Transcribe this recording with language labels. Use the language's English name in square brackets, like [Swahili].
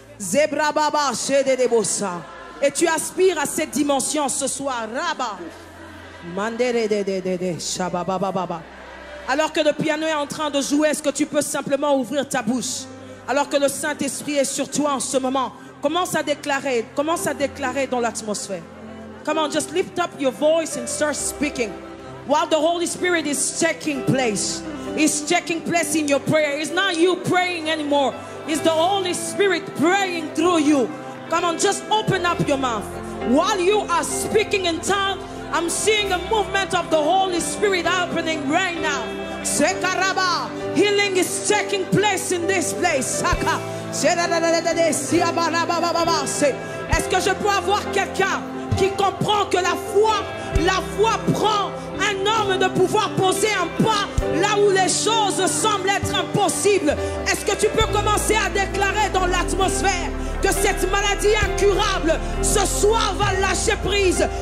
[French] Zebra baba, chedebosa. Et tu aspires à cette dimension ce soir. Rabba. Mandere de shabababa. Alors que le piano est en train de jouer, est-ce que tu peux simplement ouvrir ta bouche? Alors que le Saint-Esprit est sur toi en ce moment. Commence à déclarer dans l'atmosphère. [English] Come on, just lift up your voice and start speaking. While the Holy Spirit is taking place, he's taking place in your prayer. It's not you praying anymore. It's the Holy Spirit praying through you. Come on, just open up your mouth. While you are speaking in tongues, I'm seeing a movement of the Holy Spirit happening right now. Sekaraba, healing is taking place in this place. Saka, [French] est-ce que je peux avoir quelqu'un qui comprend que la foi prend un homme de pouvoir poser un pas là où les choses semblent être impossibles. Est-ce que tu peux commencer à déclarer dans l'atmosphère que cette maladie incurable ce soir va lâcher prise?